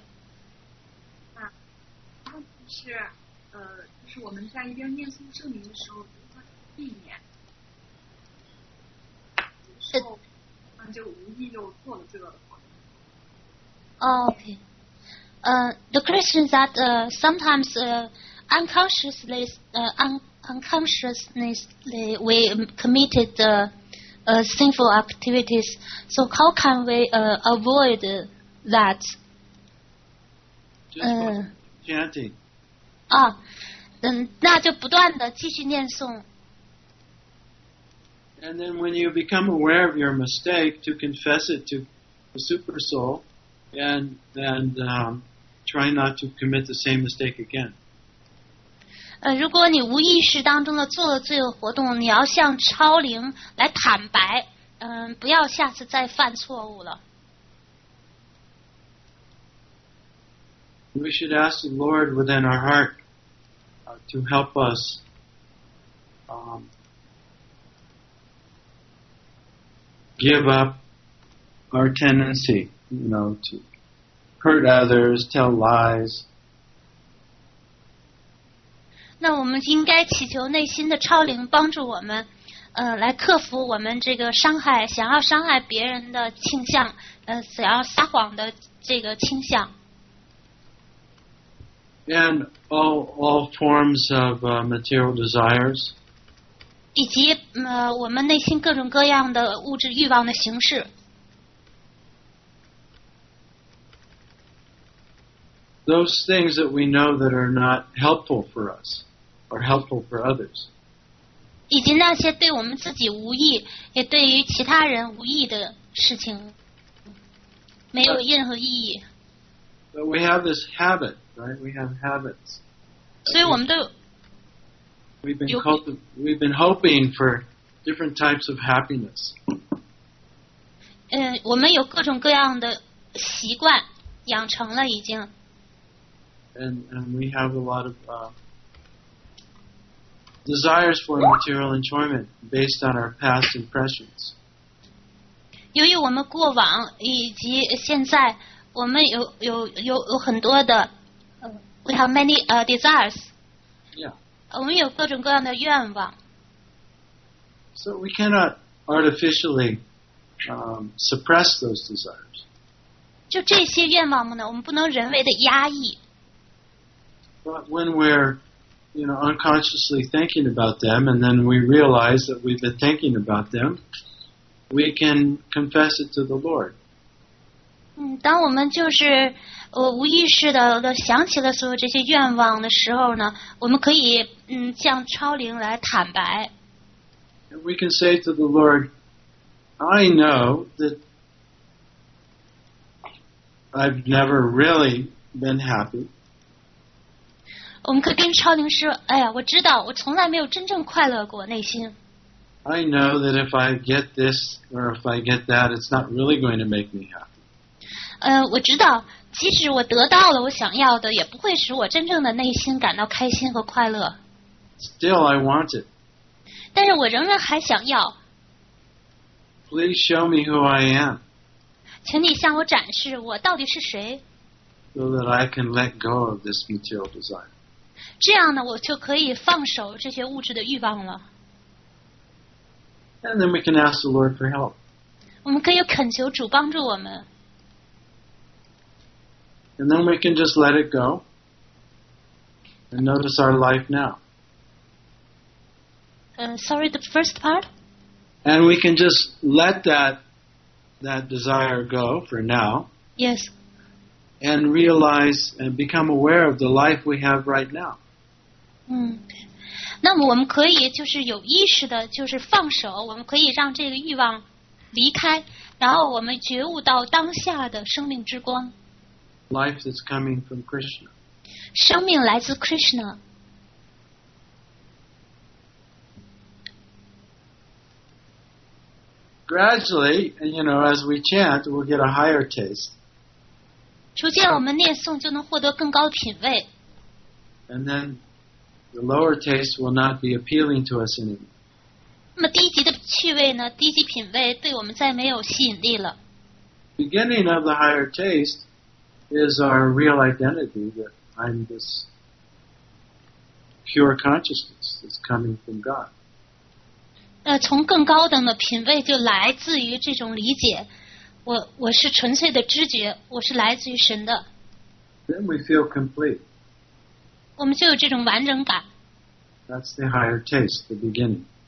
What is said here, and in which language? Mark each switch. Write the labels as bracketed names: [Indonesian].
[Chinese] 啊，那就是就是我们在一边念诵圣名的时候，如何避免就无意又做了罪恶的话。OK. [English] The question is that sometimes unconsciously we committed sinful activities. So how can we avoid that? Chanting. [Chinese] 啊，嗯，那就不断的继续念诵。 [English] And then when you become aware of your mistake, to confess it to the super soul, and try not to commit the same mistake again. [Chinese] 如果你无意识当中的做了罪恶活动，你要向超灵来坦白，不要下次再犯错误了。 [English] We should ask the Lord within our heart to help us give up our tendency, you know, to hurt others, tell lies. [Chinese] 那我们应该祈求内心的超灵帮助我们，来克服我们这个伤害，想要伤害别人的倾向，想要撒谎的这个倾向。 [English] And all forms of material desires. [Chinese] 以及我们内心各种各样的物质欲望的形式。 [English] Those things that we know that are not helpful for us. Are helpful for others. [Chinese] 以及那些对我们自己无益，也对于其他人无益的事情，没有任何意义。 [English] But we have this habit, right? We have habits. [Chinese] 所以我们都 [English] we've been hoping for different types of happiness. [Chinese] 我们有各种各样的习惯养成了已经。 [English] And we have a lot of. Desires for material enjoyment based on our past impressions. [Chinese] 由于我们过往以及现在，我们有很多的 ， [English] we have many desires. Yeah. [Chinese] 我们有各种各样的愿望。 [English] So we cannot artificially suppress those desires. [Chinese] 就这些愿望呢，我们不能人为的压抑。 [English] But when we're You know, unconsciously thinking about them, and then we realize that we've been thinking about them. We can confess it to the Lord. [Chinese] 当我们就是无意识的想起了所有这些愿望的时候呢，我们可以向超灵来坦白。 [English] And we can say to the Lord, "I know that I've never really been happy." [Chinese] 我们可以跟超灵说，哎呀，我知道，我从来没有真正快乐过内心。 [English] I know that if I get this or if I get that, it's not really going to make me happy. [Chinese] 我知道，即使我得到了我想要的，也不会使我真正的内心感到开心和快乐。 [English] Still, I want it. [Chinese] 但是我仍然还想要。 [English] Please show me who I am. [Chinese] 请你向我展示我到底是谁。 [English] So that I can let go of this material desire. [Chinese] 这样呢，我就可以放手这些物质的欲望了。 [English] And then we can ask the Lord for help. [Chinese] 我们可以恳求主帮助我们。 [English] And then we can just let it go and notice our life now. Sorry, the first part? And we can just let that that desire go for now. Yes. And realize and become aware of the life we have right now. [Chinese] 嗯，那么我们可以就是有意识的，就是放手，我们可以让这个欲望离开，然后我们觉悟到当下的生命之光。 [English] Life is coming from Krishna. [Chinese] 生命来自 Krishna. [English] Gradually, you know, as we chant, we'll get a higher taste. [Chinese] 逐渐我们念诵就能获得更高品味。 [English] And then the lower taste will not be appealing to us anymore. [Chinese] 那么低级的趣味呢？低级品味对我们再没有吸引力了。 [English] Beginning of the higher taste. Is our real identity that I'm this pure consciousness that's coming from God? [Chinese] 从更高等的品位就来自于这种理解。我是纯粹的知觉，我是来自于神的。 [English] Then we feel complete. [Chinese] 我们就有这种完整感。 [English] That's the higher taste, the beginning.